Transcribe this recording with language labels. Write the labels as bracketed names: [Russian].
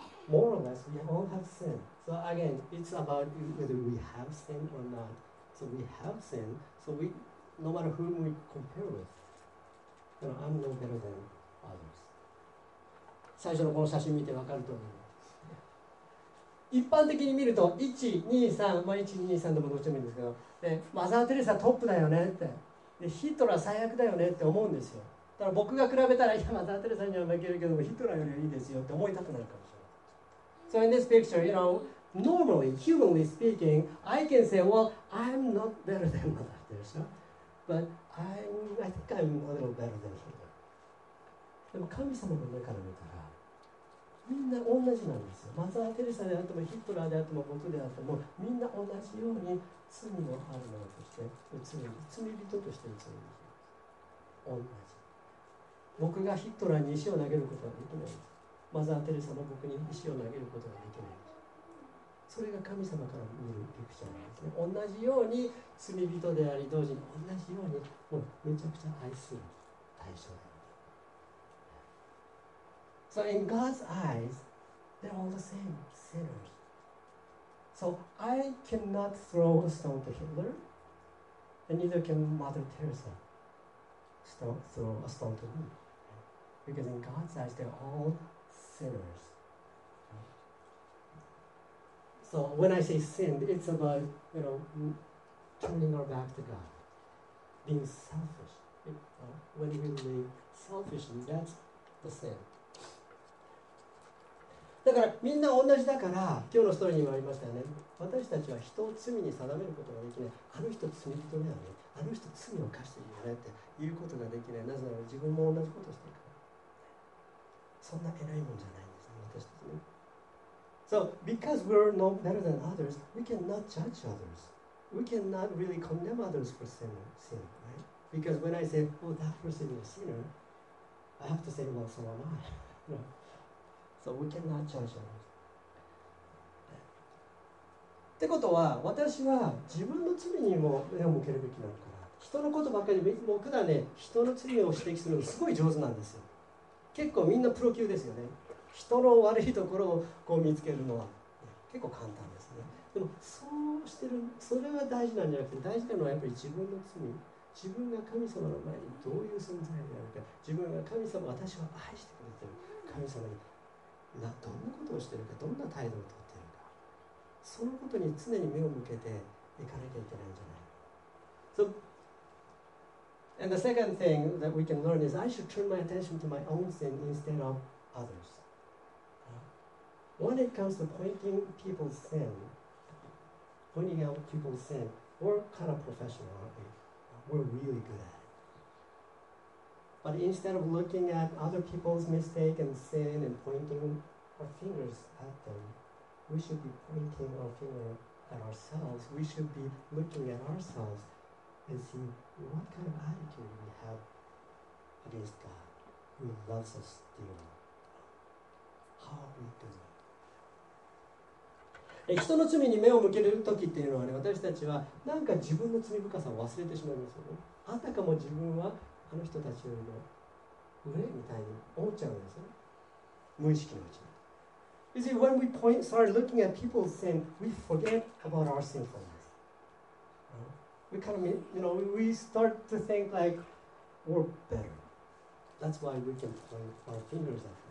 [English] More or less, we all have sinSo again, it's about whether we have sin or not. So we have sin, so we, no matter whom we compare with, you know, I'm no better than others. [Japanese] 最初のこの写真見て分かると思います。一般的に見ると、1、2、3、まあ1、2、3でもどっちでもいいんですけど、でマザー・テレサトップだよねって、でヒトラー最悪だよねって思うんですよ。だから僕が比べたら、いや、マザー・テレサには負けるけど、ヒトラーよりはいいですよって思いたくなるかもしれない。 So in this picture, you know, normally, humanly speaking, I can say, well, I'm not better than Mother Teresa, but I think I'm a little better than her. でも神様の目から見たら、みんな同じなんですよ。マザー・テレサであっても、ヒトラーであっても、僕であっても、みんな同じように罪のあるものとして、罪人として映るんですよ。同じ。僕がヒトラーに石を投げることはできないんです。マザー・テレサも僕に石を投げることができない。それが神様から見るピクチャーなんですね。同じように罪人であり、同時に同じようにもうめちゃくちゃ愛する対象である。 [English] So in God's eyes, they're all the same sinners. So I cannot throw a stone to Hitler, and neither can Mother Teresa throw a stone to me. Because in God's eyes, they're all sinners. So when I say sin, it's about, you know, turning our back to God, being selfish. When we live selfishly, that's the sin. [Japanese] だからみんな同じだから、今日のストーリーにもありましたよね。私たちは人を罪に定めることができない。あの人罪人だよね。あの人罪を犯しているよねって言うことができない。なぜなら自分も同じことをしているから。そんな偉いもんじゃないんですね、私たちね。 [English] So, because we're no better than others, we cannot judge others. We cannot really condemn others for sin, right? Because when I say, oh, that person is a sinner, I have to say, well, so am I. So we cannot judge others. [Japanese] ってことは、私は自分の罪にも目を向けるべきなのかな。人のことばっかり、僕らね、人の罪を指摘するのすごい上手なんですよ。結構みんなプロ級ですよね。人の悪いところをこう見つけるのは結構簡単ですね。でもそうしてる、それは大事なんじゃなくて、大事なのはやっぱり自分の罪、自分が神様の前にどういう存在であるか、自分が神様、私は愛してくれてる神様にどんなことをしてるか、どんな態度をとっているか、そのことに常に目を向けていかなきゃいけないんじゃない。 [English] So, and the second thing that we can learn is I should turn my attention to my own sin instead of others. When it comes to pointing out people's sin, we're kind of professional, aren't we? We're really good at it. But instead of looking at other people's mistake and sin and pointing our fingers at them, we should be pointing our finger at ourselves. We should be looking at ourselves and see what kind of attitude we have against God, who loves us dearly. How are we doing? [Japanese] 人の罪に目を向けるときっていうのはね、私たちはなんか自分の罪深さを忘れてしまいますよね。あたかも自分はあの人たちよりも上みたいに思っちゃうんですよ。無意識のうちに。 [English] You see, when we start looking at people's sin, we forget about our sinfulness. We kind of, you know, we start to think like we're better. That's why we can point our fingers at them.